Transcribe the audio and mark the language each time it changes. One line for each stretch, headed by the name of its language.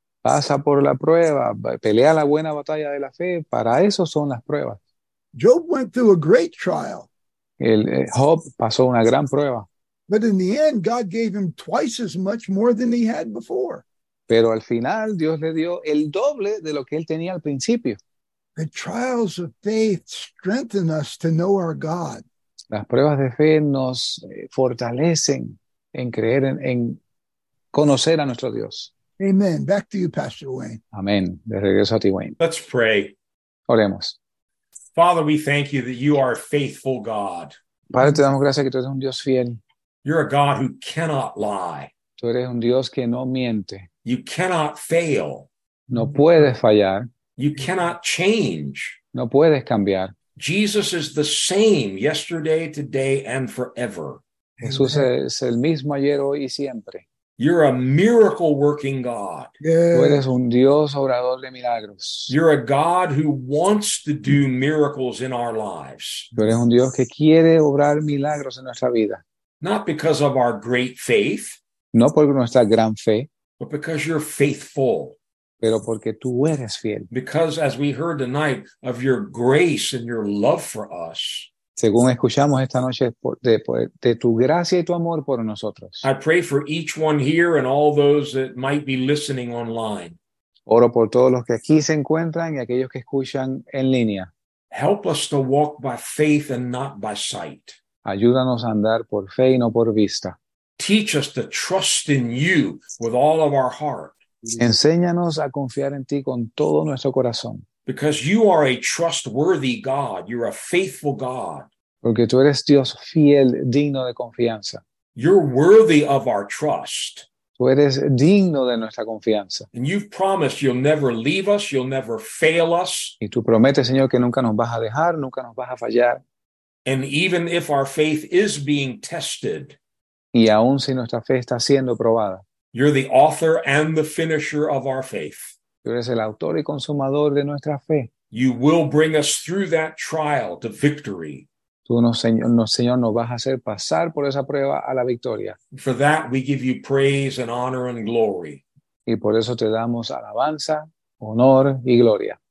Spanish: Pasa por la prueba, pelea la buena batalla de la fe. Para eso son las pruebas.
English: Job went through a great trial.
Spanish: Job pasó una gran prueba.
English: But in the end, God gave him twice as much more than he had before.
Spanish: Pero al final, Dios le dio el doble de lo que él tenía al principio.
English: The trials of faith strengthen us to know our God.
Spanish: Las pruebas de fe nos fortalecen en creer en conocer a nuestro Dios.
English: Amen. Back to you, Pastor Wayne.
Spanish: Amén. De regreso a ti, Wayne.
English: Let's pray.
Spanish: Oremos.
English: Father, we thank you that you are a faithful God.
Spanish: Padre, te damos gracias que tú eres un Dios fiel.
English: You're a God who cannot lie.
Spanish: Tú eres un Dios que no miente.
English: You cannot fail.
Spanish: No puedes fallar.
English: You cannot change.
Spanish: No puedes cambiar.
English: Jesus is the same yesterday, today, and forever.
Spanish: Jesús es el mismo ayer, hoy y siempre.
English: You're a miracle-working God.
Spanish: Tú eres un Dios obrador de milagros.
English: You're a God who wants to do miracles in our lives.
Spanish: Tú eres un Dios que quiere obrar milagros en nuestra vida.
English: Not because of our great faith.
Spanish: No por nuestra gran fe.
English: But because you're faithful.
Spanish: Pero porque tú eres fiel.
English: Because, as we heard tonight, of your grace and your love for us.
Spanish: Según escuchamos esta noche, de tu gracia y tu amor por nosotros.
English: I pray for each one here and all those that might be listening online.
Spanish: Oro por todos los que aquí se encuentran y aquellos que escuchan en línea.
English: Help us to walk by faith and not by sight.
Spanish: Ayúdanos a andar por fe y no por vista.
English: Teach us to trust in you with all of our heart.
Spanish: Enséñanos a confiar en ti con todo nuestro corazón.
English: Because you are a trustworthy God. You're a faithful God.
Spanish: Porque tú eres Dios fiel, digno de confianza.
English: You're worthy of our trust.
Spanish: Tú eres digno de nuestra confianza.
English: And you've promised you'll never leave us, you'll never fail us.
Spanish: Y tú prometes, Señor, que nunca nos vas a dejar, nunca nos vas a fallar.
English: And even if our faith is being tested.
Spanish: Y aun si nuestra fe está siendo probada.
English: You're the author and the finisher of our faith.
Spanish: Tú eres el autor y consumador de nuestra fe.
English: You will bring us through that trial to victory.
Spanish: Tú, Señor, nos vas a hacer pasar por esa prueba a la victoria.
English: For that, we give you praise and honor and glory.
Spanish: Y por eso te damos alabanza, honor y gloria.